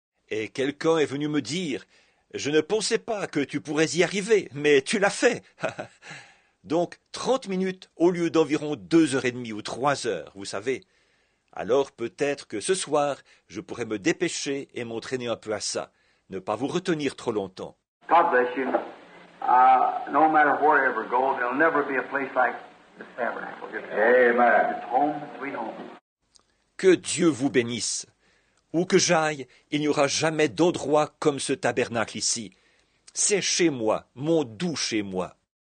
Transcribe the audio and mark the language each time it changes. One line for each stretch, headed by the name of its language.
French: Et quelqu'un est venu me dire, je ne pensais pas que tu pourrais y arriver, mais tu l'as fait. Donc, 30 minutes au lieu d'environ 2h30 ou 3h, vous savez. Alors peut-être que ce soir, je pourrais me dépêcher et m'entraîner un peu à ça, ne pas vous retenir trop longtemps.
English: God bless you. No matter where you ever go, there'll never be a place like the tabernacle. Amen. It's home, sweet home.
French: Que Dieu vous bénisse. Où que j'aille, il n'y aura jamais d'endroit comme ce tabernacle ici. C'est chez moi, mon doux chez moi.